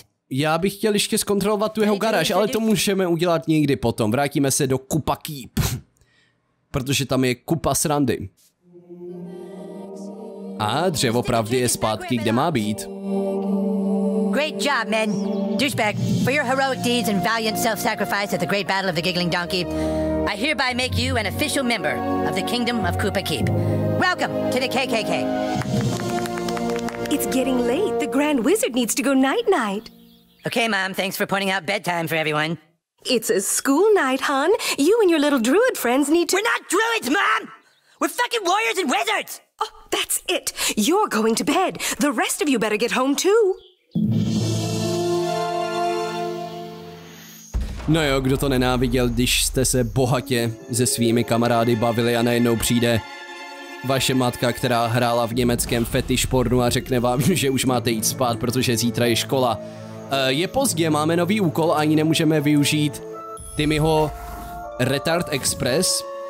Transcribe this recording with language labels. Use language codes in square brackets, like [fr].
[cs] Já bych chtěl ještě zkontrolovat tu jeho garáž, ale to můžeme udělat někdy potom. Vrátíme se do Kupa Keep. Protože tam je kupa srandy. A dřevo pravdy je zpátky, kde má být. [en] Great job, men. Douchebag, for your heroic deeds and valiant self-sacrifice at the great battle of the giggling donkey, I hereby make you an official member of the kingdom of Koopa Keep. Welcome to the KKK. It's getting late. The Grand Wizard needs to go night-night. Okay, Mom, thanks for pointing out bedtime for everyone. It's a school night, hon. You and your little druid friends need to... We're not druids, Mom! We're fucking warriors and wizards! Oh, that's it. You're going to bed. The rest of you better get home, too. [cs] No jo, kdo to nenáviděl, když jste se bohatě se svými kamarády bavili a najednou přijde vaše matka, která hrála v německém fetish pornu a řekne vám, že už máte jít spát, protože zítra je škola. Je pozdě, máme nový úkol a ani nemůžeme využít Timmyho Retard Express.